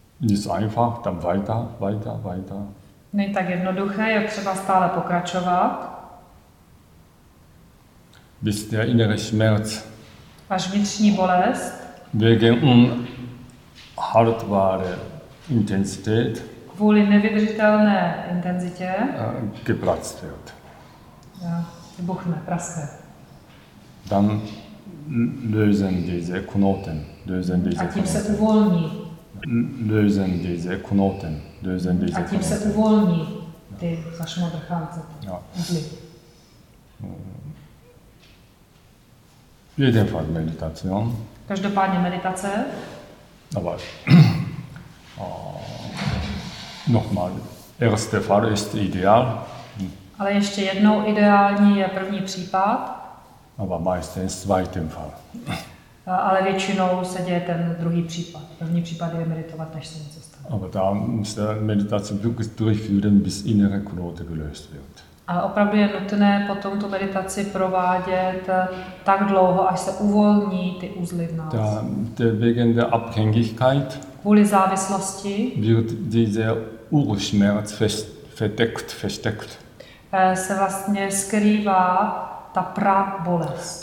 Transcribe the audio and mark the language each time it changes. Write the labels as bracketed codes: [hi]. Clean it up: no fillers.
[de] Ist einfach, dann weiter. [cs] Není tak jednoduché, je třeba stále pokračovat. [de] Bis der innere Schmerz. [cs] Až vnitřní bolest. [de] Wegen unhaltbare Intensität. [cs] Kvůli nevydržitelné intenzitě. [de] Geplatzt wird. [cs] Ja, vybuchne, praskne. [de] Dann lösen diese Knoten, [cs] A tím se uvolní [de] lösen diese Knoten, lösen diese Knoten. [cs] A tím se uvolní ty zašmodrchánce. [de] Ja. Jedenfalls Meditation. [cs] Každopádně meditace. [de] Aber nochmal, erste Fall ist ideal. [cs] Ale ještě jednou ideální je první případ. [de] Aber meistens zweiten Fall. [cs] Ale většinou se děje ten druhý případ. První případ je meditovat, než se něco stane. [de] Aber da muss die Meditation wirklich durchführen, bis innere Knoten gelöst wird. [cs] A opravdu je nutné potom tu meditaci provádět tak dlouho, až se uvolní ty uzly v nás. [de] Wegen der Abhängigkeit. [cs] Kvůli závislosti. [de] Wird dieser Urschmerz versteckt. [cs] Se vlastně skrývá ta pra bolest.